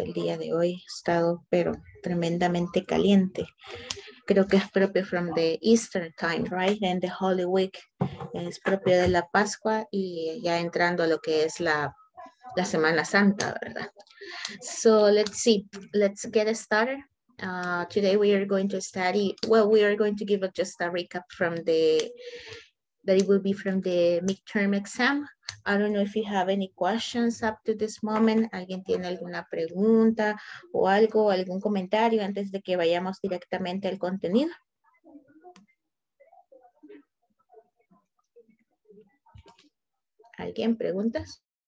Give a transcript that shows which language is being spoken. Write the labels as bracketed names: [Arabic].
[Spanish] El día de hoy ha estado, pero tremendamente caliente. Creo que es propio [English] from the Eastern time, right? And the Holy Week. [Spanish] Es propio de la Pascua y ya entrando a lo que es la Semana Santa, ¿verdad? [English] So, let's see. Let's get started. Today we are going to study, well, we are going to give just a recap from the, that it will be from the midterm exam. I don't know if you have any questions up to this moment. [Spanish] ¿Alguien tiene alguna pregunta o algo, algún comentario antes de que vayamos directamente al contenido? ¿Alguien preguntas?